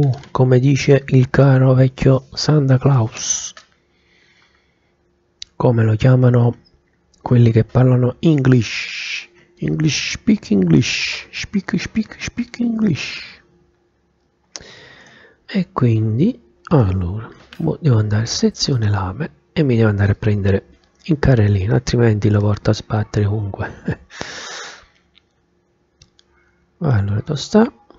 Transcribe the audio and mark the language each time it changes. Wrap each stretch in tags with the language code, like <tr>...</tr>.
<it>Come dice il caro vecchio Santa Claus. Come lo chiamano quelli che parlano English.</it> <en>English, speak English. Speak, speak, speak English.</en> <it>E quindi, allora. Devo andare sezione lame e mi devo andare a prendere in carrellina, altrimenti lo porto a sbattere ovunque. Allora, dove sta?</it>